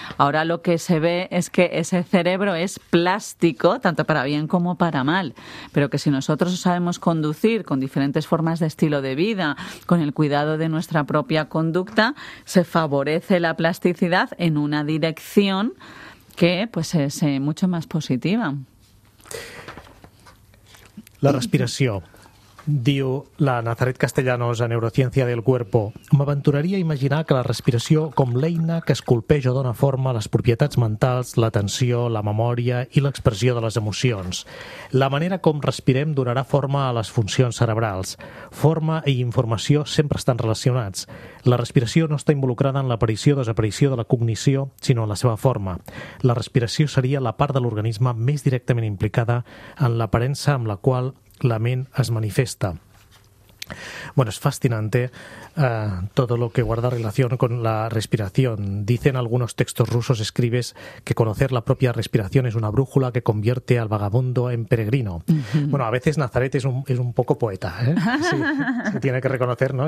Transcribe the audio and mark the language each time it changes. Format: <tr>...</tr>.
<es>Ahora lo que se ve es que ese cerebro es plástico, tanto para bien como para mal, pero que si nosotros sabemos conducir con diferentes formas de estilo de vida, con el cuidado de nuestra propia conducta, se favorece la plasticidad en una dirección que pues es mucho más positiva. La respiración.</es> <ca>Diu la Nazaret Castellanos a Neurociència del Cuerpo. M'aventuraria a imaginar que la respiració com l'eina que esculpeix o dona forma a les propietats mentals, l'atenció, la memòria i l'expressió de les emocions. La manera com respirem donarà forma a les funcions cerebrals. Forma i informació sempre estan relacionats. La respiració no està involucrada en l'aparició o desaparició de la cognició, sinó en la seva forma. La respiració seria la part de l'organisme més directament implicada en l'aparença amb la qual la ment es manifiesta.</ca> <es>Bueno, es fascinante todo lo que guarda relación con la respiración. Dicen algunos textos rusos, escribes, que conocer la propia respiración es una brújula que convierte al vagabundo en peregrino. Uh-huh. Bueno, a veces Nazaret es un poco poeta, ¿eh? Sí, se tiene que reconocer, ¿no?</es>